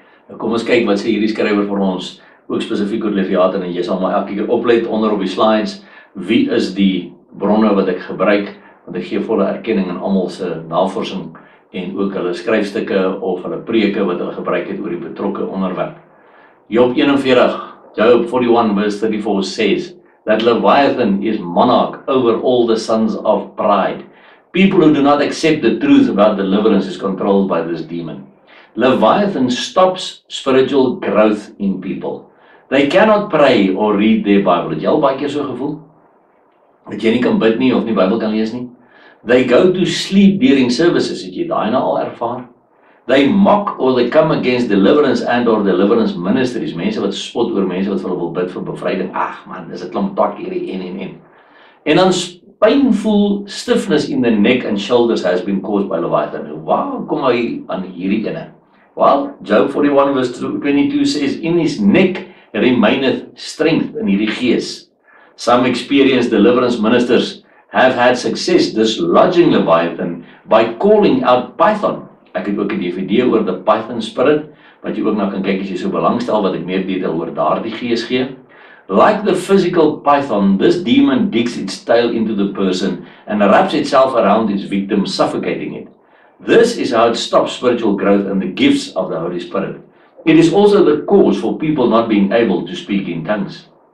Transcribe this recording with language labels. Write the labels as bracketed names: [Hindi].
[Afrikaans] Nou kom ons kyk wat sê hierdie skrywer vir ons, ook spesifiek oor Leviathan, en jy sal maar elke keer oplet onder op die slides. Wie is die bronne wat ek gebruik? Want ek gee volle erkenning aan almal se navorsing en ook hulle skryfstukke of hulle preke wat hulle gebruik het oor die betrokke onderwerp. [English] Job 41, Job 41 verse 34 says that Leviathan is monarch over all the sons of pride. People who do not accept the truth about deliverance is controlled by this demon. Leviathan stops spiritual growth in people. They cannot pray or read their Bible. [Afrikaans] Het jy al baie keer so gevoel? Dat jy nie kan bid nie of nie Bybel kan lees nie. [English] They go to sleep during services. [Afrikaans] Het jy daai nou al ervaar? [English] They mock or they come against deliverance and or deliverance ministries. [Afrikaans] Mense wat spot oor mense wat vir hulle wil bid vir bevryding. Ag man, dis 'n klomp pak hierdie en. En dan [English] painful stiffness in the neck and shoulders has been caused by Leviathan. [Afrikaans] Waar kom hy aan hierdie ene? [English] Well, Job 41 verse 22 says, in his neck remaineth strength in [Afrikaans] hierdie gees. [English] Some experienced deliverance ministers have had success dislodging Leviathan by calling out Python. [Afrikaans] Ek het ook 'n DVD oor [English] the Python spirit, [Afrikaans] wat jy ook nou kan kyk as jy so belangstel, wat ek meer detail oor daardie gees gee. [English] Like the physical python, this demon digs its tail into the person and wraps itself around its victim, suffocating it. This is how it stops spiritual growth and the gifts of the Holy Spirit. It is also the cause for people not being able to speak in tongues.